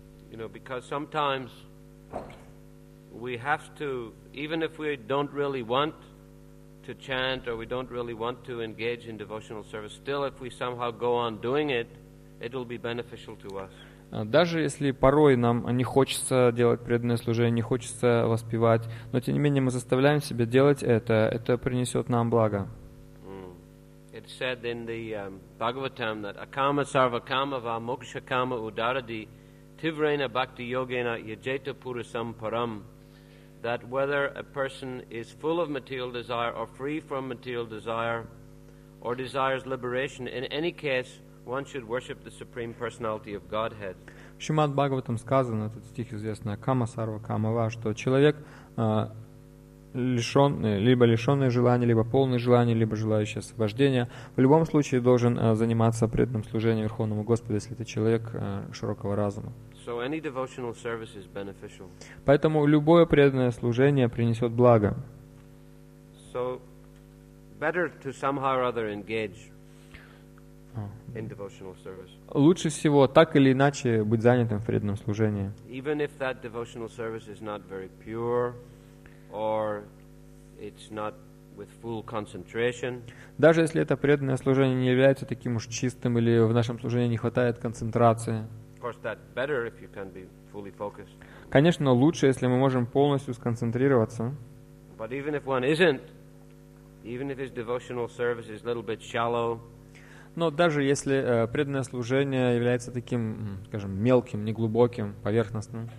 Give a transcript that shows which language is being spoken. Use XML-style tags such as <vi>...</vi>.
<en>You know, because sometimes we have to, even if we don't really want to chant or we don't really want to engage in devotional service, still if we somehow go on doing it, it will be beneficial to us.</en> <ru>Даже если порой нам не хочется делать преданное служение, не хочется воспевать, но тем не менее мы заставляем себя делать это принесет нам благо.</ru> <en>It's said in the Bhagavatam that</en> <sa>akama sarva kama va moksha kama udaradi tivrena bhakti yogena yajeta purusam param,</sa> <en>that whether a person is full of material desire or free from material desire or desires liberation, in any case one should worship the Supreme Personality of Godhead.</en> <ru>В Шримад Бхагаватам сказано, этот стих известный,</ru> <sa>акама сарва кама ва,</sa> <ru>что человек лишенное желание, либо полное желание, либо желающее освобождение, в любом случае должен заниматься преданным служением Верховному Господу, если это человек широкого разума.</ru> <en>So any devotional service is beneficial.</en> <ru>Поэтому любое преданное служение принесет благо.</ru> <en>So better to somehow or other engage in devotional service.</en> <ru>Лучше всего так или иначе быть занятым в преданном служении.</ru> <en>Even if that devotional service is not very pure, or it's not with full concentration.</en> <ru>Даже если это преданное служение не является таким уж чистым или в нашем служении не хватает концентрации.</ru> <en>Of course, that's better if you can be fully focused.</en> <ru>Конечно, лучше, если мы можем полностью сконцентрироваться.</ru> <en>But even if one isn't, even if his devotional service is a little bit shallow.</en> <ru>Но даже если преданное служение является таким, скажем, мелким, неглубоким, поверхностным,</ru>